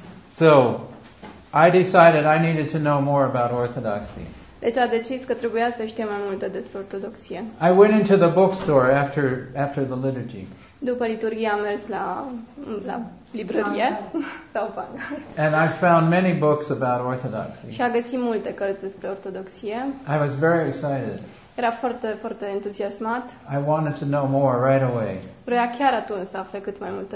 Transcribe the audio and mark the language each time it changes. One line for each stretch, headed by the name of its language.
English: So, I decided I needed to know more about orthodoxy.
Romanian: Deci a decis că trebuia să știu mai multe despre ortodoxie.
English: I went into the bookstore after the liturgy.
Romanian: După liturghie am mers la librărie sau banca.
English: And I found many books about orthodoxy.
Romanian: Și a găsit multe cărți despre ortodoxie.
English: I was very excited.
Romanian: Era foarte, foarte entuziasmat.
English: I wanted to know more right away.
Romanian: Vrea chiar atunci să afle cât mai multe.